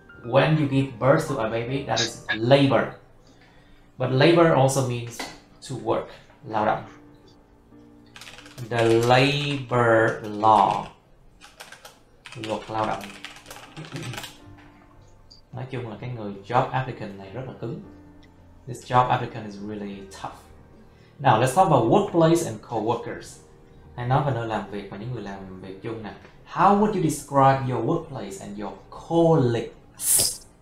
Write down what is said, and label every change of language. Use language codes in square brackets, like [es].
[en] When you give birth to a baby, that is labor. But labor also means to work, [vi] lao động. [en] The labor law, [vi] luật lao động. Nói chung là cái người job applicant này rất là cứng. [en] This job applicant is really tough. Now let's talk about workplace and co-workers. [vi] Hãy nói về nơi làm việc và những người làm việc chung nè. [en] How would you describe your workplace and your colleagues?